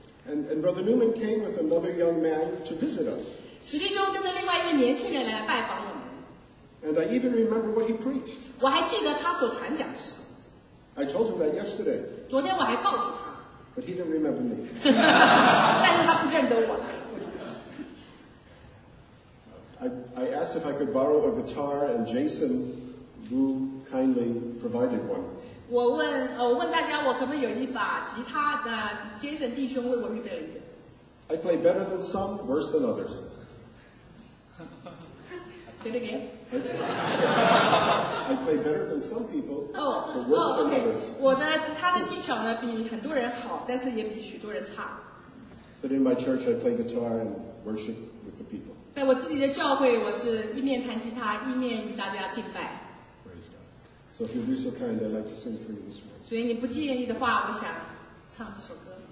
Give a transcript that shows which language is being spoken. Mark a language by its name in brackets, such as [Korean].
[English] And Brother Newman came with another young man to visit us. [Chinese] 史蒂翁跟着另外一个年轻人来拜访我们。 [English] And I even remember what he preached. [Chinese] 我还记得他所传讲是什么。 [English] I told him that yesterday. [Chinese] 昨天我还告诉他。 [English] But he didn't remember me. [Chinese] 但是他不认得我。 [English] I asked if I could borrow a guitar, and Jason Wu kindly provided one. [Chinese] 我问大家，我可不可以有一把吉他？ Jason 弟兄为我预备了一个。 [English] I play better than some, worse than others. Say it again. I play better than some people. Okay. [Chinese] 我的吉他的技巧呢，比很多人好，但是也比许多人差。 [English] But in my church, I play guitar and worship with the people. [Chinese] 在我自己的教会，我是一面弹吉他，一面与大家敬拜。 [English] Praise God. So if you'd be so kind, I'd like to sing for you this morning. [Chinese] 所以你不介意的话，我想唱这首歌。